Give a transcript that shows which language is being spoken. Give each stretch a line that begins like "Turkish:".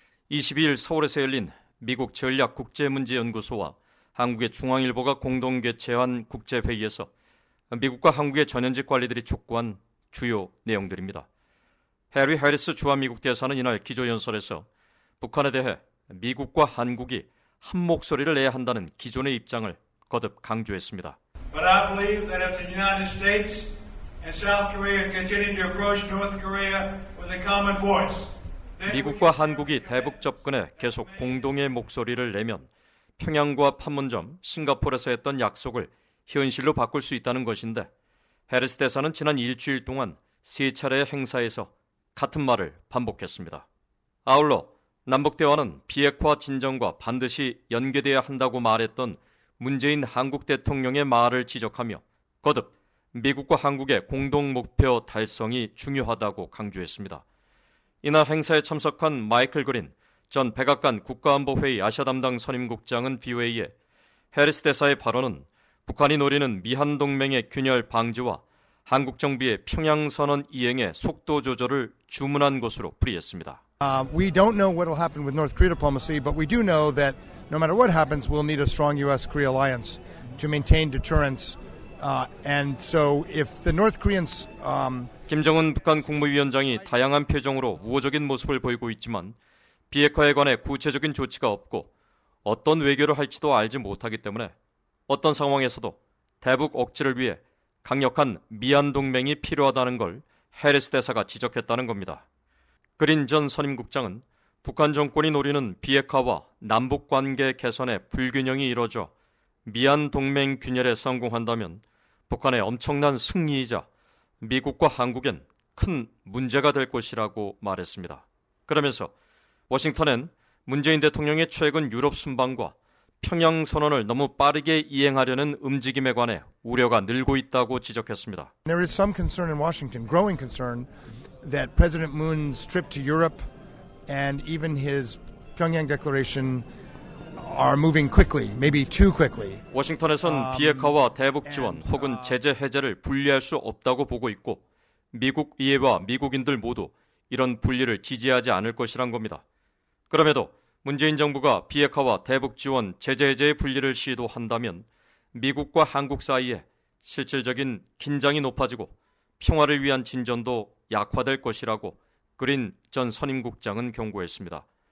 Korean: 22일 서울에서 열린 미국 전략국제문제연구소와 한국의 중앙일보가 공동 개최한 국제회의에서 미국과 한국의 전현직 관리들이 촉구한 주요 내용들입니다. 해리 해리스 주한미국 대사는 이날 기조연설에서 북한에 대해 미국과 한국이 한 목소리를 내야 한다는 기존의 입장을 거듭 강조했습니다.
English: But I believe that if the United States and South Korea continue to approach North Korea with a common voice,
Korean: 미국과 한국이 대북 접근에 계속 공동의 목소리를 내면 평양과 판문점, 싱가포르에서 했던 약속을 현실로 바꿀 수 있다는 것인데 해리스 대사는 지난 일주일 동안 세 차례의 행사에서 같은 말을 반복했습니다. 아울러 남북 대화는 비핵화 진전과 반드시 연계돼야 한다고 말했던 문재인 한국 대통령의 말을 지적하며 거듭 미국과 한국의 공동 목표 달성이 중요하다고 강조했습니다. 이날 행사에 참석한 마이클 그린 전 백악관 국가안보회의 아시아 담당 선임국장은 VOA에 해리스 대사의 발언은 북한이 노리는 미한동맹의 균열 방지와 한국 정부의 평양선언 이행의 속도 조절을 주문한 것으로 풀이했습니다.
English: We don't know what will happen with North Korea diplomacy, but we do know that no matter what happens, we'll need a strong U.S.-Korea alliance to maintain deterrence. And so if the North Koreans
Korean: 김정은 북한 국무위원장이 다양한 표정으로 우호적인 모습을 보이고 있지만 비핵화에 관해 구체적인 조치가 없고 어떤 외교를 할지도 알지 못하기 때문에 어떤 상황에서도 대북 억지를 위해 강력한 미한 동맹이 필요하다는 걸 해리스 대사가 지적했다는 겁니다. 그린 전 선임 국장은 북한 정권이 노리는 비핵화와 남북 관계 개선의 불균형이 이뤄져 미한 동맹 균열에 성공한다면 북한의 엄청난 승리이자 미국과 한국엔 큰 문제가 될 것이라고 말했습니다. 그러면서 워싱턴은 문재인 대통령의 최근 유럽 순방과 평양 선언을 너무 빠르게 이행하려는 움직임에 관해 우려가 늘고 있다고 지적했습니다.
English: There is some concern in Washington, growing concern that President Moon's trip to Europe and even his Pyongyang declaration are moving quickly, maybe too quickly.
Korean: 워싱턴에선 비핵화와 대북 지원 혹은 제재 해제를 분리할 수 없다고 보고 있고 미국 의회와 미국인들 모두 이런 분리를 지지하지 않을 것이란 겁니다. 그럼에도 문재인 정부가 비핵화와 대북 지원 제재 해제의 분리를 시도한다면 미국과 한국 사이에 실질적인 긴장이 높아지고 평화를 위한 진전도 약화될 것이라고 그린 전 선임국장은 경고했습니다.